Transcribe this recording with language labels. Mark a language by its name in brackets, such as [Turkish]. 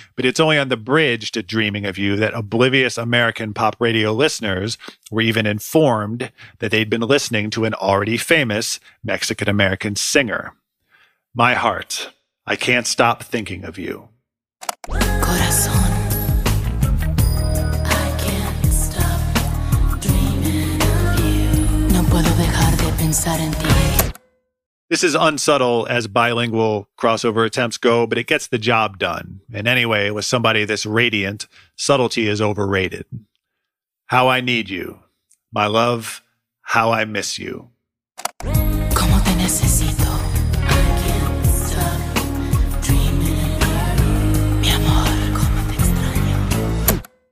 [English] But it's only on the bridge to Dreaming of You that oblivious American pop radio listeners were even informed that they'd been listening to an already famous Mexican-American singer. My heart, I can't stop thinking of you. Corazón, I can't stop dreaming of you. [Spanish] No puedo dejar de pensar en ti. [English] This is unsubtle as bilingual crossover attempts go, but it gets the job done. And anyway, with somebody this radiant, subtlety is overrated. How I need you. My love, how I miss you. [Spanish] Como te necesito. [English] I can't stop dreaming of you. [Spanish] Mi amor, como te extraño.